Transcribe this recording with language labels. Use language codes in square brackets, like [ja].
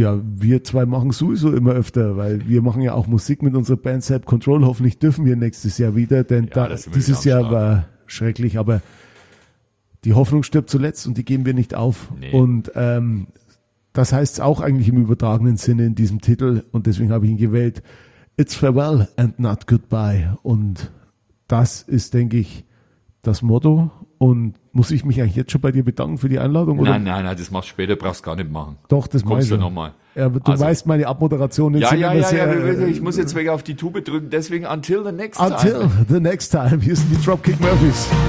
[de] Ja, wir zwei machen sowieso immer öfter, weil wir machen ja auch Musik mit unserer Band Zap Control. Hoffentlich dürfen wir nächstes Jahr wieder, denn ja, dieses Jahr war schrecklich, aber die Hoffnung stirbt zuletzt und die geben wir nicht auf. Nee. Und das heißt es auch eigentlich im übertragenen Sinne in diesem Titel und deswegen habe ich ihn gewählt. [en] It's farewell and not goodbye. [de] Und das ist, denke ich, das Motto. Und muss ich mich eigentlich jetzt schon bei dir bedanken für die Einladung? Oder? Nein, das machst du später, brauchst du gar nicht machen. Doch, das kommst du nochmal. Ja, du weißt, meine Abmoderation ist ja, ich muss jetzt weg auf die Tube drücken, deswegen [en] until the next until time. Until the next time. [de] Hier sind die Dropkick Murphys.